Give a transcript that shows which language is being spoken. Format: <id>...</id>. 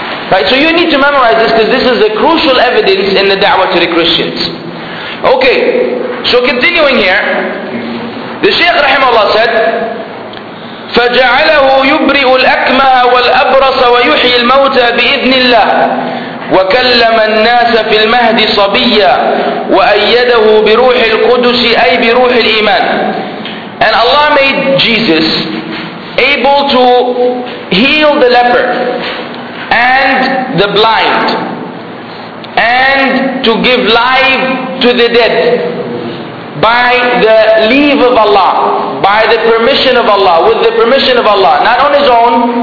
<en>Right, so you need to memorize this, because this is the crucial evidence in the da'wah to the Christians. Okay, so continuing here, the Shaykh rahimahullah said,</en> <ar>فَجَعَلَهُ يُبْرِئُ الْأَكْمَهَ وَالْأَبْرَصَ وَيُحْيِي الْمَوْتَى بِإِذْنِ اللَّهِ وَكَلَّمَ النَّاسَ فِي الْمَهْدِ صَبِيًّا وَأَيَّدَهُ بِرُوحِ الْقُدُسِ أي بِرُوحِ الْإِيمَانِ.</ar> <en>And Allah made Jesus able to heal the leper and the blind and to give life to the dead by the leave of Allah, by the permission of Allah, with the permission of Allah, not on his own.</en>